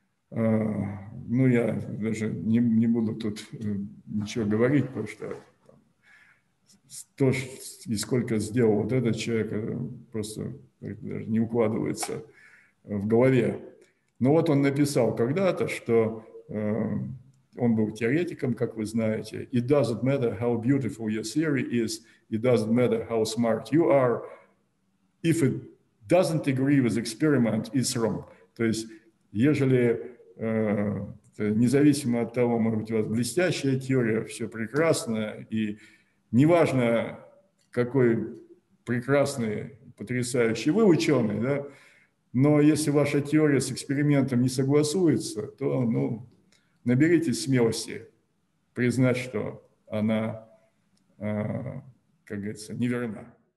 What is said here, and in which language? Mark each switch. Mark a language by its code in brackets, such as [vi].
[ru] Ну, я даже не буду тут ничего говорить, потому что то, и сколько сделал вот этот человек, просто даже не укладывается в голове. Но вот он написал когда-то, что он был теоретиком, как вы знаете. [en] «It doesn't matter how beautiful your theory is, it doesn't matter how smart you are. If it doesn't agree with experiment, it's wrong». [ru] То есть, ежели независимо от того, может быть, у вас блестящая теория, все прекрасно, и неважно, какой прекрасный, потрясающий вы ученый, да, но если ваша теория с экспериментом не согласуется, то, ну, наберитесь смелости признать, что она, как говорится, неверна.